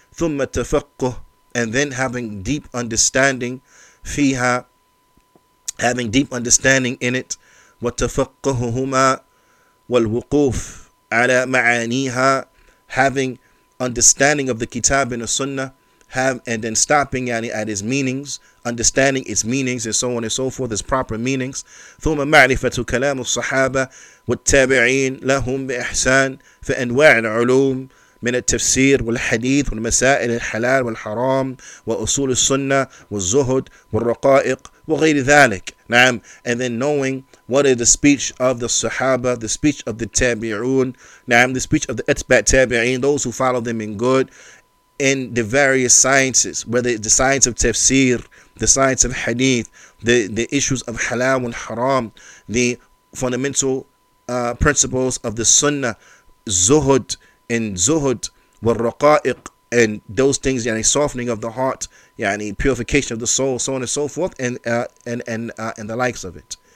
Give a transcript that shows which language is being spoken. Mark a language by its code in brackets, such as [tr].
[ar] ثم تفقه, [en] and then having deep understanding فيها, having deep understanding in it, [ar] وتفقههما والوقوف على معانيها, [en] having understanding of the kitab and the sunnah, and then stopping at its meanings, understanding its meanings and so on and so forth, its proper meanings. [ar] ثم معرفة كلام الصحابة والتابعين لهم بإحسان في أنواع العلوم من التفسير والحديث والمسائل الحلال والحرام وأصول السنة والزهد والرقائق وغير ذلك. نعم. [en] And then knowing what is the speech of the Sahaba, the speech of the Tabi'un, نعم, the speech of the Etba Tabi'een, those who follow them in good, in the various sciences, whether it's the science of tafsir, the science of hadith, the issues of halal and haram, the fundamental principles of the sunnah, zuhud, wal raqa'iq, and those things, yani softening of the heart, yani purification of the soul, so on and so forth, and the likes of it.